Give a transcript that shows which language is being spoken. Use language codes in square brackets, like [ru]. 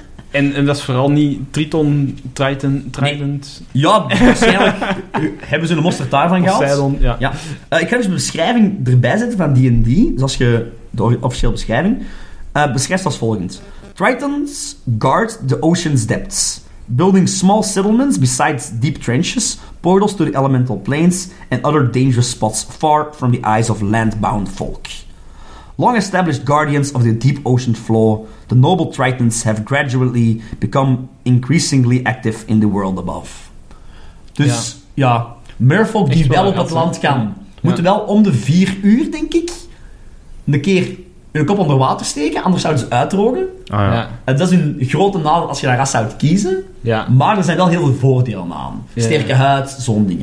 [nl] En dat is vooral niet Triton, Triton, Trident. Nee. Ja, waarschijnlijk hebben ze een monster daarvan gehad. Poseidon, ja. Ja. Ik ga dus een beschrijving erbij zetten van D&D. Dus als je de officiële beschrijving beschrijft als volgt. [en] Tritons guard the ocean's depths. Building small settlements besides deep trenches, portals to the elemental plains, and other dangerous spots far from the eyes of land-bound folk. Long established guardians of the deep ocean floor, the noble tritons have gradually become increasingly active in the world above. [nl] Dus, ja. Merfolk die wel op het land kan, moeten wel om de 4 uur, denk ik, een keer hun kop onder water steken, anders zouden ze uitdrogen. Ah, ja. Dat is een grote nadeel als je dat ras zou kiezen. Ja. Maar er zijn wel heel veel voordelen aan. Sterke huid, zo'n ding.